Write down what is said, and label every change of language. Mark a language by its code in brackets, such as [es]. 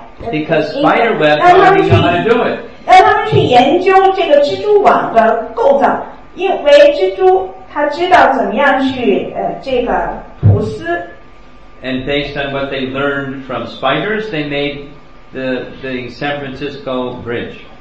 [en] Because spider web already know how to do it. [zh] 让他们去研究这个蜘蛛网的构造，因为蜘蛛。他知道怎么样去这个吐丝。 [en] And based on what they learned from spiders, they made the San Francisco Bridge.